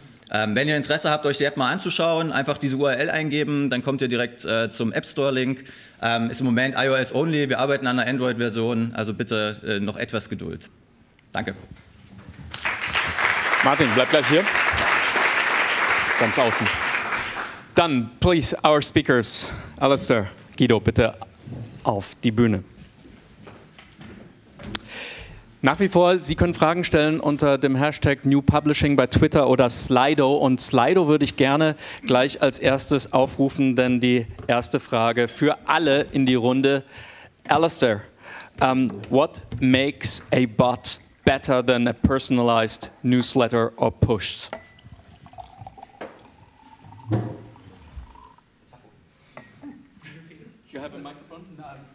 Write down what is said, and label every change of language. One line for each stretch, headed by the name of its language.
German: Wenn ihr Interesse habt, euch die App mal anzuschauen, einfach diese URL eingeben, dann kommt ihr direkt zum App-Store-Link. Ist im Moment iOS-only, wir arbeiten an der Android-Version, also bitte noch etwas Geduld. Danke. Martin, bleib gleich hier. Ganz außen.
English: Dann, please, our speakers.
German: Alistair, Guido, bitte auf die Bühne. Nach wie vor, Sie können Fragen stellen unter dem Hashtag New Publishing bei Twitter oder Slido. Und Slido würde ich gerne gleich als erstes aufrufen, denn die erste Frage für alle in die Runde.
English: Alistair, what makes a bot better than a personalized newsletter or push? Do you have a microphone? No.